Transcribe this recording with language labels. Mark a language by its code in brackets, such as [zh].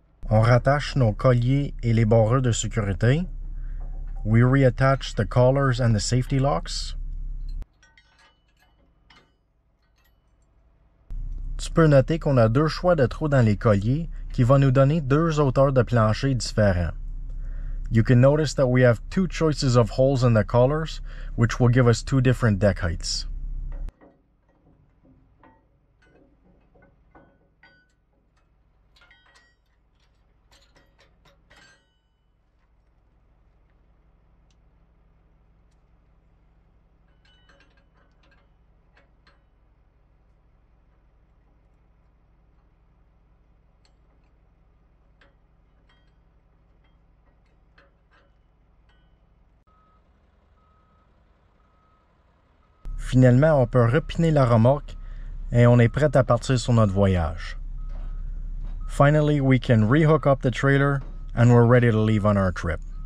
[fr] On rattache nos colliers et les barreaux de sécurité. [en] We reattach the collars and the safety locks. [fr] Tu peux noter qu'on a deux choix de trous dans les colliers qui vont nous donner deux hauteurs de plancher différents. [en] You can notice that we have two choices of holes in the collars, which will give us two different deck heights. [fr] Finalement, on peut repiner la remorque et on est prêt à partir sur notre voyage. [en] Finally, we can rehook up the trailer and we're ready to leave on our trip.